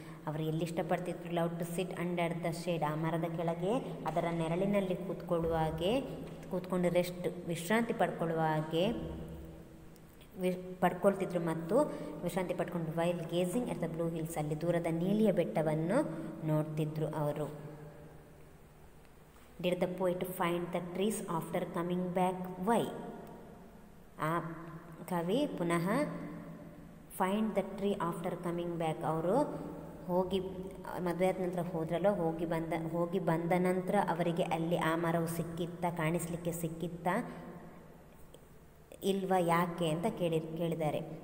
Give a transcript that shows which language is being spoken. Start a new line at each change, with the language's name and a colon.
Kannada: ಅವರು ಎಲ್ಲಿ ಇಷ್ಟಪಡ್ತಿದ್ರು,
English: love to sit under the shade,
Kannada: ಆ ಮರದ ಕೆಳಗೆ ಅದರ ನೆರಳಿನಲ್ಲಿ ಕೂತ್ಕೊಳ್ಳುವ ಹಾಗೆ, ಕೂತ್ಕೊಂಡು ರೆಸ್ಟ್ ವಿಶ್ರಾಂತಿ ಪಡ್ಕೊಳ್ಳುವ ಹಾಗೆ ಪಡ್ಕೊಳ್ತಿದ್ರು ಮತ್ತು ವಿಶ್ರಾಂತಿ ಪಡ್ಕೊಂಡು
English: while gazing at the blue hills,
Kannada: ಅಲ್ಲಿ ದೂರದ ನೀಲಿಯ ಬೆಟ್ಟವನ್ನು ನೋಡ್ತಿದ್ರು ಅವರು.
English: Did the poet find the trees after coming back? Why?
Kannada: ಆ ಕವಿ ಪುನಃ
English: find the tree after coming back,
Kannada: ಅವರು ಹೋಗಿ ಮದುವೆ ಆದ ನಂತರ ಹೋದ್ರಲ್ಲೋ, ಹೋಗಿ ಬಂದ ನಂತರ ಅವರಿಗೆ ಅಲ್ಲಿ ಆ ಮರವು ಸಿಕ್ಕಿತ್ತ, ಕಾಣಿಸ್ಲಿಕ್ಕೆ ಸಿಕ್ಕಿತ್ತ ಇಲ್ವ ಯಾಕೆ ಅಂತ ಕೇಳಿದ್ದಾರೆ.